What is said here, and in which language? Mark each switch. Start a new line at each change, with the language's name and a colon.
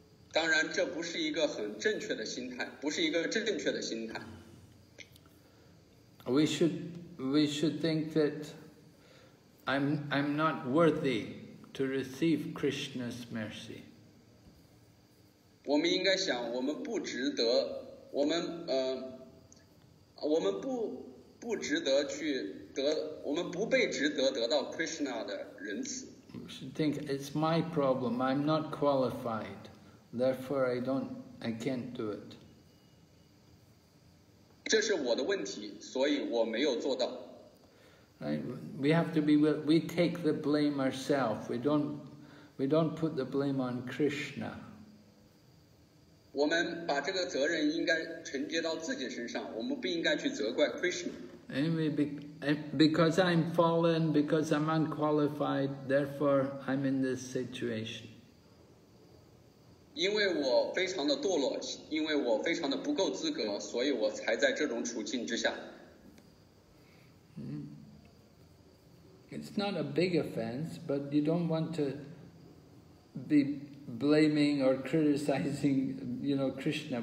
Chinese: 当然，这不是一个很正确的心态，不是一个正确的心态。
English: We should think that I'm not worthy to receive Krishna's mercy.
Chinese: 我们应该想，我们不值得，我们我们不值得去得，我们不被值得得到 Krishna 的仁慈。
English: We should think it's my problem. I'm not qualified, therefore I can't do it.
Chinese: 这是我的问题，所以我没有做到。
English: Right. We have to be. We take the blame ourselves. We don't put the blame on Krishna.
Chinese: 我们把这个责任应该承接到自己身上，我们不应该去责怪 Krishna.
English: Anyway, because I'm fallen, because I'm unqualified, therefore I'm in this situation.
Chinese: 因为我非常的堕落，因为我非常的不够资格，所以我才在这种处境之下。
English: It's not a big offense, but you don't want to be blaming or criticizing, you know, Krishna.